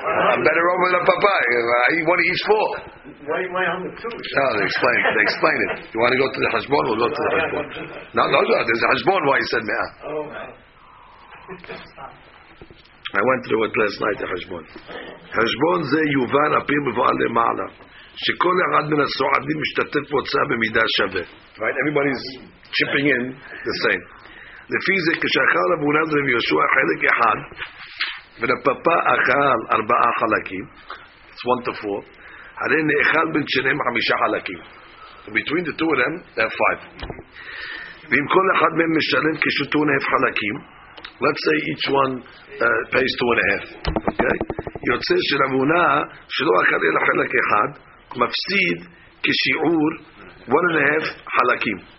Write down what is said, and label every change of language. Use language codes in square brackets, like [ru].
[en] I'm better off with Rapapa. I eat one each four. Why am I on the two? No, they explain it. You want to go to the Hashbon or go to the Hashbon? No, there's a Hashbon why he said me'ah. Oh, I went through it last night, the Hashbon. [he] Hashbon ze yuvan apim v'ale ma'ala. שכל אחד מן הסועדים משתתף בהוצאה במידה שווה. [en] Right, everybody's chipping in the same. [he] לפי זה, כשאכל רבי אלעזר רבי יהושע חלק אחד, ורפפה אכל ארבעה חלקים, [en] it's one to four, [he] הרי נאכל בין שניהם חמישה חלקים. [en] Between the two of them, they have five. [he] ואם כל אחד מהם משלם כשתו נאף חלקים, [en] let's say each one pays two and a half. [he] Okay? יוצא שרבי אלעזר, שלא אכל אלא חלק אחד, מפסיד כשיעור 1.5 חלקים.